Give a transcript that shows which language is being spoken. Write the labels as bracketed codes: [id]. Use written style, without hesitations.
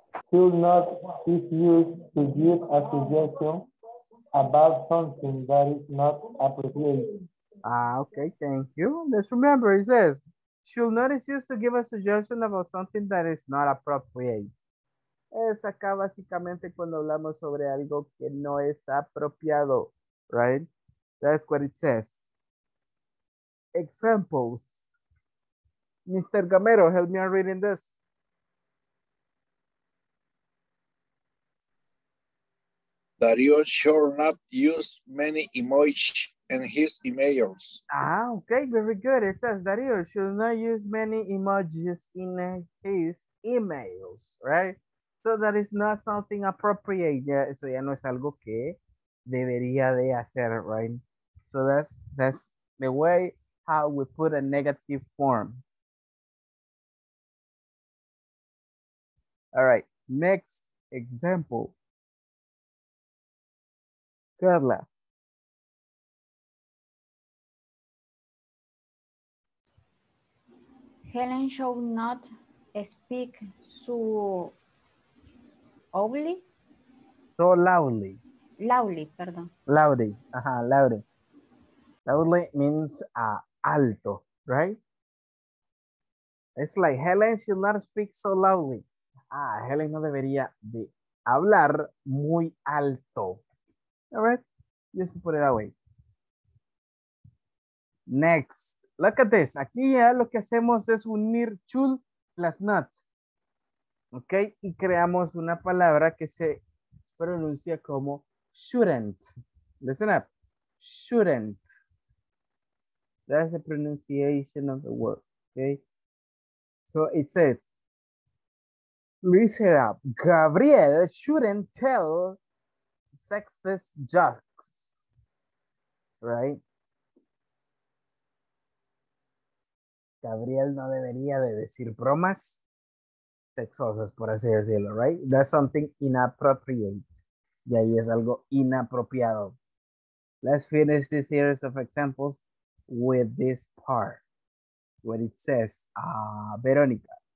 [en] Should not be used to give a suggestion about something that is not appropriate. Ah, okay, thank you. Let's remember, it says, should not is used to give a suggestion about something that is not appropriate. [es] Es acá básicamente cuando hablamos sobre algo que no es apropiado, right? [en] That's what it says. Examples. Mr. Gamero, help me on reading this. Darío should not use many emojis in his emails. Ah, okay, very good. It says Darío should not use many emojis in his emails, right? So that is not something appropriate. [es] Yeah, eso ya no es algo que debería de hacer, right? [en] So that's the way how we put a negative form. All right, next example. Carla. Helen should not speak so loudly. So loudly. Loudly, perdón. Loudly, ajá, loudly. Loudly means alto, right? It's like Helen should not speak so loudly. [es] Ah, Helen no debería de hablar muy alto. [en] All right, just put it away. Next, look at this. [es] Aquí ya lo que hacemos es unir should plus not. Okay, y creamos una palabra que se pronuncia como shouldn't. [en] Listen up, shouldn't. That's the pronunciation of the word, okay? So it says, listen up, Gabriel shouldn't tell sexist jokes, right? [es] Gabriel no debería de decir bromas sexosas, por así decirlo, right? [en] That's something inappropriate. [es] Y ahí es algo inapropiado. [en] Let's finish this series of examples with this part, where it says, Veronica.